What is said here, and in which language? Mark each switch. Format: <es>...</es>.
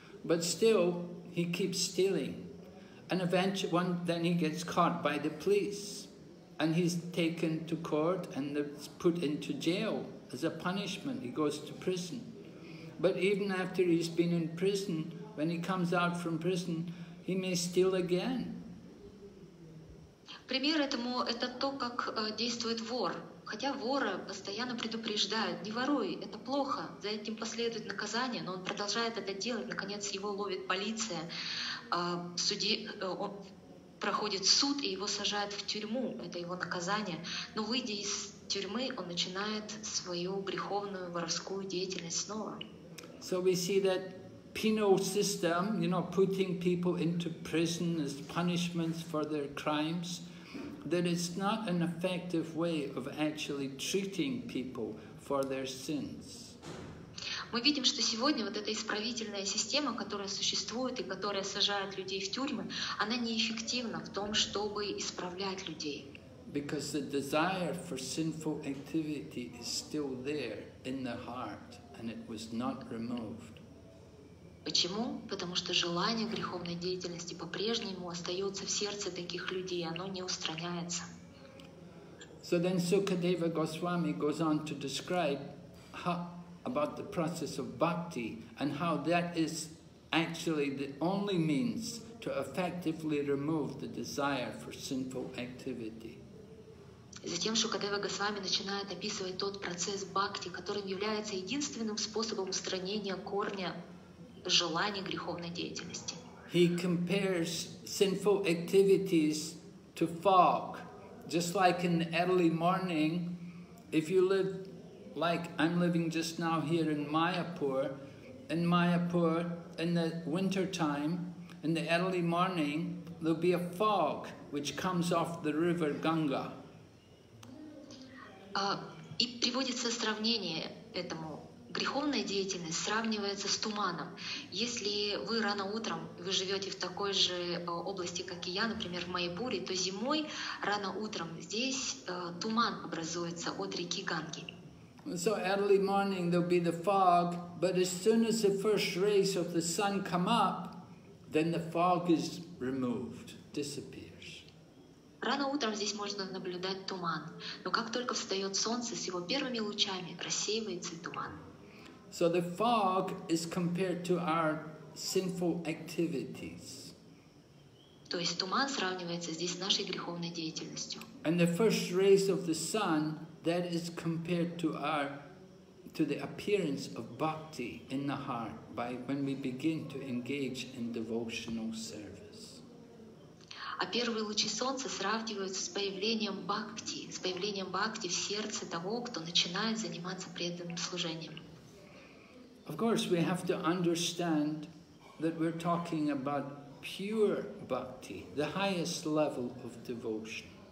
<en>But still, he keeps stealing. And eventually, then he gets caught by the police, and he's taken to court and put into jail as a punishment. He goes to prison. But even after he's been in prison, when he comes out from prison, he may steal again.</en> <ru>Пример этому — это то, как действует вор. Хотя вора постоянно предупреждают, не воруй, это плохо, за этим последует наказание, но он продолжает это делать, наконец его ловит полиция, он проходит суд и его сажают в тюрьму, это его наказание. Но выйдя из тюрьмы, он начинает свою греховную воровскую деятельность снова.</ru> <en>So we see that penal system, you know, putting people into prison as punishments for their crimes, that it's not an effective way of actually treating people for their sins.</en> <ru>Мы видим, что сегодня вот эта исправительная система, которая существует и которая сажает людей в тюрьмы, она неэффективна в том, чтобы исправлять людей.</ru> <en>Because the desire for sinful activity is still there in the heart, and it was not removed.</en> <ru>Почему? Потому что желание греховной деятельности по-прежнему остается в сердце таких людей, оно не устраняется.</ru> <en>So then Sukadeva Goswami goes on to describe how, about the process of bhakti and how that is actually the only means to effectively remove the desire for sinful activity.</en> <ru>Затем Шукадева Госвами начинает описывать тот процесс бхакти, который является единственным способом устранения корня желаний греховной деятельности.</ru> <en>He compares sinful activities to fog. Just like in the early morning, if you live like I'm living just now here in Mayapur, in the winter time, in the early morning, there'll be a fog which comes off the river Ganga.</en> <ru>И приводится сравнение этому. греховная деятельность сравнивается с туманом. Если вы рано утром, вы живете в такой же области, как и я, например, в Майпуре, то зимой рано утром здесь туман образуется от реки Ганги.</ru> <en>So early morning there'll be the fog, but as soon as the first rays of the sun come up, then the fog is removed, disappears.</en> <ru>Рано утром здесь можно наблюдать туман, но как только встает солнце, с его первыми лучами рассеивается туман.</ru> <en>So the fog is compared to our sinful activities.</en> <ru>То есть туман сравнивается здесь с нашей греховной деятельностью.</ru> <en>And the first rays of the sun, that is compared to our, to the appearance of bhakti in the heart by when we begin to engage in devotional service.</en> <ru>А первые лучи солнца сравниваются с появлением бхакти, с появлением бхакти в сердце того, кто начинает заниматься преданным служением.</ru> <en>Of course, we have to understand that we're talking about pure bhakti, the highest level of devotion.</en>